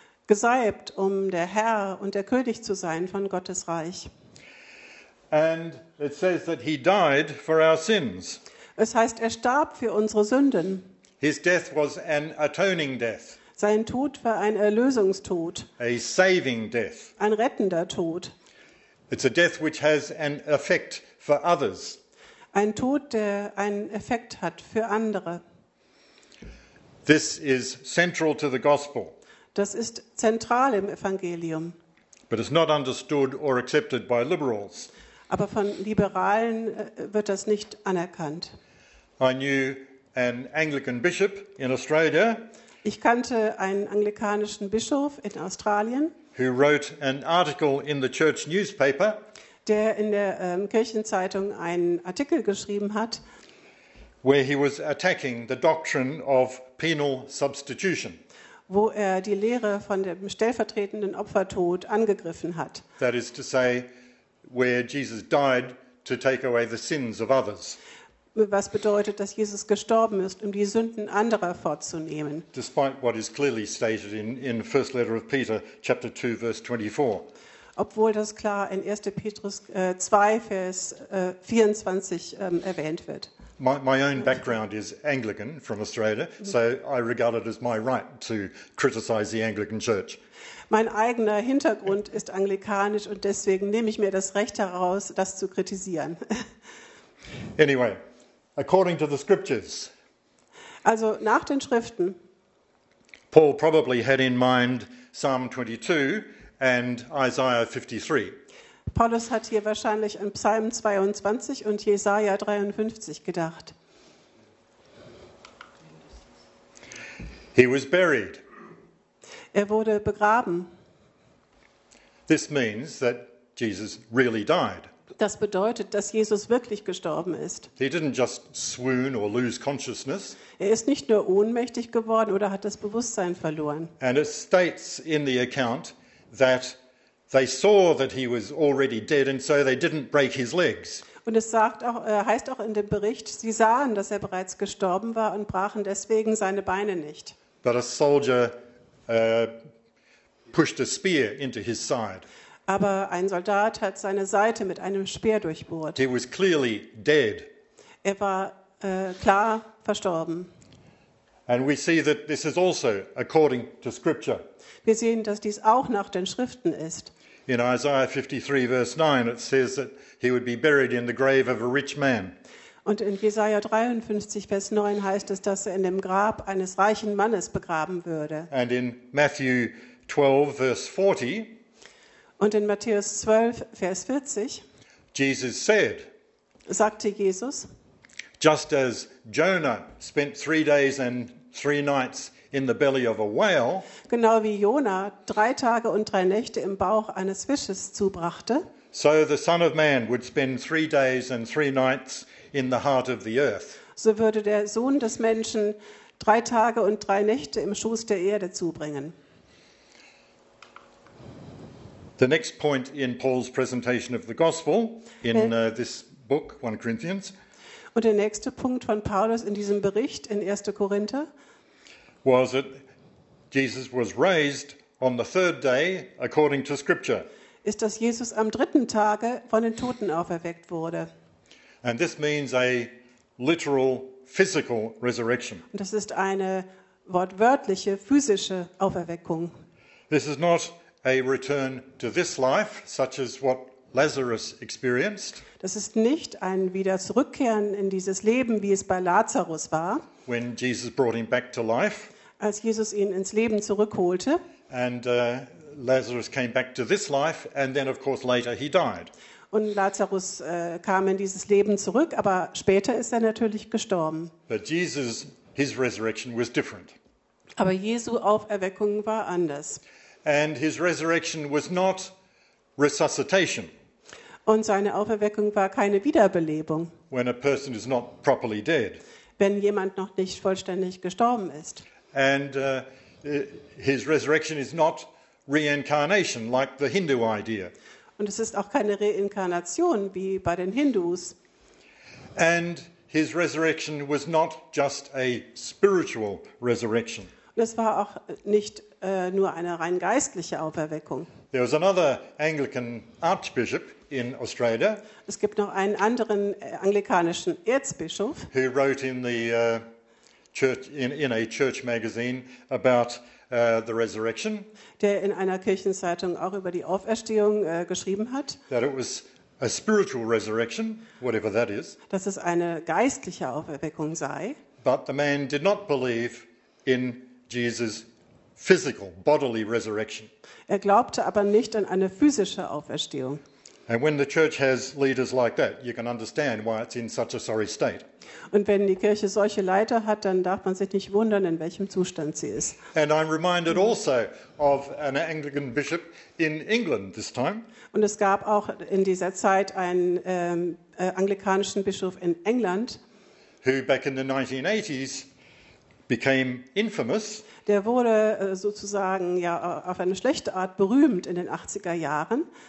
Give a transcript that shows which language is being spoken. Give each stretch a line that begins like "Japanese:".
German: Gesalbt, um der Herr und der König zu sein von Gottes Reich.
English: And it says that he died for our sins.
German: Es heißt, er starb für unsere Sünden.
English: His death was an atoning death.
German: Sein Tod war ein Erlösungstod.
English: A saving death.
German: Ein rettender Tod.
English: It's a death which has an effect for others.
German: Ein Tod, der einen Effekt hat für andere.
English: This is central to the gospel.
German: Das ist zentral im Evangelium.
English: But it's not understood or accepted by liberals.
German: Aber von Liberalen wird das nicht anerkannt.
English: I knew an Anglican bishop in Australia.
German: Ich kannte einen anglikanischen Bischof in Australien.
English: Who wrote an article in the church newspaper.
German: Der in der Kirchenzeitung einen Artikel geschrieben hat.
English: Where he was attacking the doctrine of penal substitution.
German: Wo er die Lehre von dem stellvertretenden Opfertod angegriffen hat.
English: That is to say, where Jesus died to take away the sins of others.
German: Was bedeutet, dass Jesus gestorben ist, um die Sünden anderer fortzunehmen?
English: Despite what is clearly stated in First Letter of Peter, chapter 2, verse 24.
German: Obwohl das klar in 1. Petrus 2, Vers 24 erwähnt wird.
English: My own background is Anglican from Australia, so I regard it as my right to criticize the Anglican Church.
German: Mein eigener Hintergrund ist anglikanisch und deswegen nehme ich mir das Recht heraus, das zu kritisieren.
English: Anyway, according to the scriptures.
German: Also nach den Schriften.
English: Paul probably had in mind Psalm 22 and Isaiah 53.
German: Paulus hat hier wahrscheinlich an Psalm 22 und Jesaja 53 gedacht.
English: He was buried.
German: Er wurde begraben.
English: This means that Jesus really died.
German: Das bedeutet, dass Jesus wirklich gestorben ist.
English: He didn't just swoon or lose consciousness.
German: Er ist nicht nur ohnmächtig geworden oder hat das Bewusstsein verloren.
English: And it states in the account that they saw that he was already dead, and so they didn't break his legs.
German: Und es sagt auch, heißt auch in dem Bericht, sie sahen, dass er bereits gestorben war und brachen deswegen seine Beine nicht.
English: But a soldier pushed a spear into his side.
German: Aber ein Soldat hat seine Seite mit einem Speer durchbohrt.
English: He was clearly dead.
German: Er war klar verstorben.
English: And we see that this is also according to scripture.
German: Wir sehen, dass dies auch nach den Schriften ist.
English: In Isaiah 53 verse 9 it says that he would be buried in the grave of a rich man.
German: Und in Jesaja 53 Vers 9 heißt es, dass er in dem Grab eines reichen Mannes begraben würde.
English: And in Matthew 12 verse 40
German: Und in Matthäus 12 Vers 40
English: Jesus said.
German: Sagte Jesus.
English: Just as Jonah spent 3 days and 3 nights in the belly of a whale.
German: Genau wie Jonah 3 Tage und 3 Nächte im Bauch eines Fisches zubrachte.
English: So the Son of Man would spend 3 days and 3 nights in the heart of the earth.
German: So würde der Sohn des Menschen 3 Tage und 3 Nächte im Schoß der Erde zubringen.
English: The next point in Paul's presentation of the gospel in this book, 1 Corinthians.
German: Und der nächste Punkt von Paulus in diesem Bericht in 1. Korinther
English: was that Jesus was raised on the 3rd day according to scripture.
German: Ist, dass Jesus am 3. Tage von den Toten auferweckt wurde.
English: And this means a literal physical resurrection.
German: Und das ist eine wortwörtliche physische Auferweckung.
English: This is not a return to this life such as what Lazarus experienced.
German: Das ist nicht ein wieder zurückkehren in dieses Leben, wie es bei Lazarus war.
English: When Jesus brought him back to life.
German: Als Jesus ihn ins Leben zurückholte.
English: And Lazarus came back to this life and then of course later he died.
German: Und Lazarus kam in dieses Leben zurück, aber später ist er natürlich gestorben.
English: But Jesus, his resurrection was different.
German: Aber Jesu Auferweckung war anders.
English: And his resurrection was not resuscitation.
German: Und seine Auferweckung war keine Wiederbelebung.
English: When a person is not properly dead.
German: Wenn jemand noch nicht vollständig gestorben ist.
English: And his resurrection is not reincarnation like the Hindu idea.
German: Und es ist auch keine Reinkarnation wie bei den Hindus.
English: And his resurrection was not just a spiritual resurrection.
German: Und es war auch nicht nur eine rein geistliche Auferweckung.
English: There was another Anglican archbishop in Australia.
German: Es gibt noch einen anderen anglikanischen Erzbischof.
English: Who wrote in the church in a church magazine about the resurrection.
German: Der in einer Kirchenzeitung auch über die Auferstehung geschrieben hat.
English: That it was a spiritual resurrection, whatever that is.
German: Dass es eine geistliche Auferweckung sei.
English: But the man did not believe in Jesus' physical bodily resurrection.
German: Er glaubte aber nicht an eine physische Auferstehung.
English: And when the church has leaders like that, you can understand why it's in such a sorry state.
German: Und wenn die Kirche solche Leiter hat, dann darf man sich nicht wundern, in welchem Zustand sie ist.
English: And I'm reminded also of an Anglican bishop in England this time.
German: Und es gab auch in dieser Zeit einen anglikanischen Bischof in England,
English: who back in the 1980s became infamous.
German: Der wurde sozusagen ja auf eine schlechte Art berühmt in den 80er Jahren.